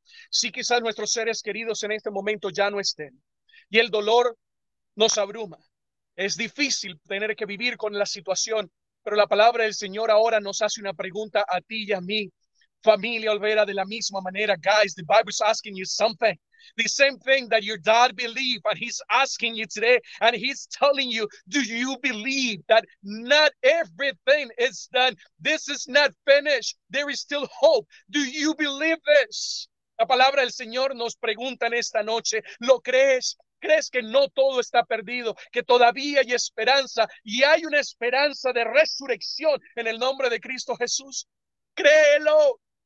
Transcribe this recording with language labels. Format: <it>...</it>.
<es>Sí, quizás nuestros seres queridos en este momento ya no estén y el dolor nos abruma. Es difícil tener que vivir con la situación, pero la palabra del Señor ahora nos hace una pregunta a ti y a mí, familia Olvera, de la misma manera.</es> <en>Guys, the Bible is asking you something. The same thing that your dad believed, and he's asking you today, and he's telling you, do you believe that not everything is done? This is not finished. There is still hope. Do you believe this?</en> <es>La palabra del Señor nos pregunta en esta noche, ¿lo crees? ¿Crees que no todo está perdido? ¿Que todavía hay esperanza? ¿Y hay una esperanza de resurrección en el nombre de Cristo Jesús? Créelo.</es>